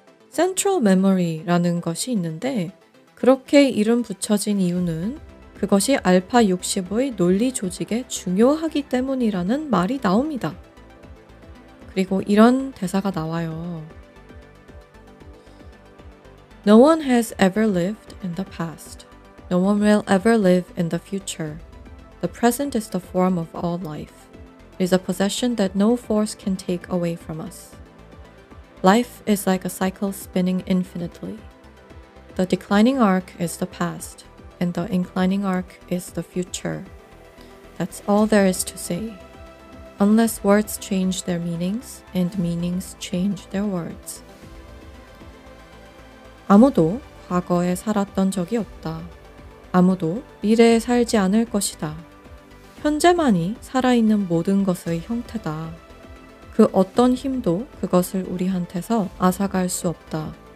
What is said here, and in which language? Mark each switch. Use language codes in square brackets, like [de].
[ko] 센트럴 메모리라는 것이 있는데 그렇게 이름 붙여진 이유는 그것이 알파 60의 논리 조직에 중요하기 때문이라는 말이 나옵니다. 그리고 이런 대사가 나와요. [en] No one has ever lived in the past. No one will ever live in the future. The present is the form of all life. It is a possession that no force can take away from us. Life is like a cycle spinning infinitely. The declining arc is the past, and the inclining arc is the future. That's all there is to say. Unless words change their meanings, and meanings change their words. [ko] 아무도 과거에 살았던 적이 없다. 아무도 미래에 살지 않을 것이다. 현재만이 살아있는 모든 것의 형태다. 그 어떤 힘도 그것을 우리한테서 앗아갈 수 없다.